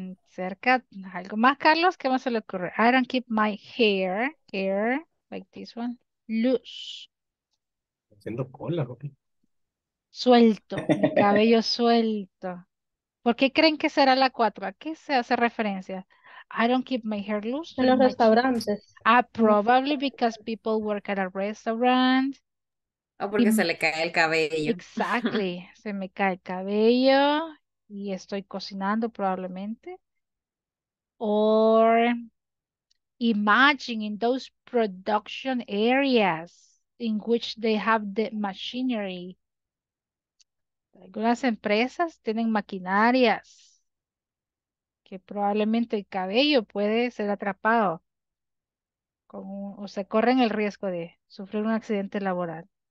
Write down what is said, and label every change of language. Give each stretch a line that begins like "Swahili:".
Spanish: Cerca, algo más, Carlos, ¿qué más se le ocurre?
English: I don't keep my hair, like this one, loose.
Spanish: Haciendo cola, ¿ok? Suelto, el cabello suelto. ¿Por qué creen que será la 4? ¿A qué se hace referencia?
English: I don't keep my hair loose.
Spanish: En los restaurantes.
English: Ah, probably because people work at a restaurant.
Spanish: O porque se le cae el cabello.
English: Exactly.
Spanish: Se me cae el cabello y estoy cocinando probablemente.
English: Or imagine in those production areas in which they have the machinery.
Spanish: Algunas empresas tienen maquinarias que probablemente el cabello puede ser atrapado o se corren el riesgo de sufrir un accidente laboral.